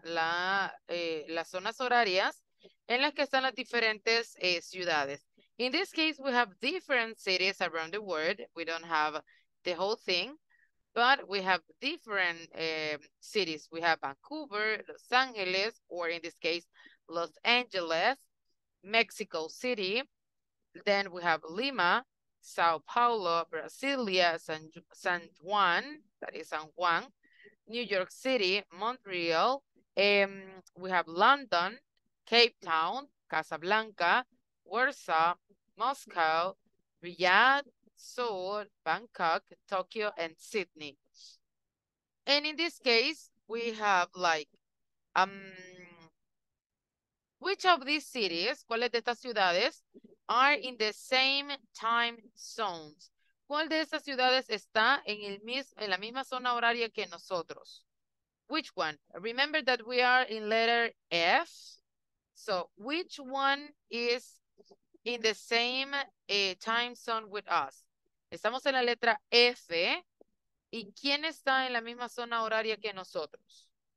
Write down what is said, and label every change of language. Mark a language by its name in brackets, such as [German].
[Spanish] La, las zonas horarias en las que están las diferentes ciudades. [English] In this case, we have different cities around the world. We don't have the whole thing, but we have different cities. We have Vancouver, Los Angeles, or in this case, Los Angeles, Mexico City. Then we have Lima, Sao Paulo, Brasilia, San Juan, that is San Juan, New York City, Montreal, we have London, Cape Town, Casablanca, Warsaw, Moscow, Riyadh, Seoul, Bangkok, Tokyo, and Sydney. And in this case, we have like, which of these cities, [Spanish] ¿cuáles de estas ciudades, [English] are in the same time zones? [Spanish] ¿Cuál de estas ciudades está en el mismo, en la misma zona horaria que nosotros? [English] Which one? Remember that we are in letter F. So which one is in the same time zone with us? [Spanish] Estamos en la letra F. ¿Y quién está en la misma zona horaria que nosotros?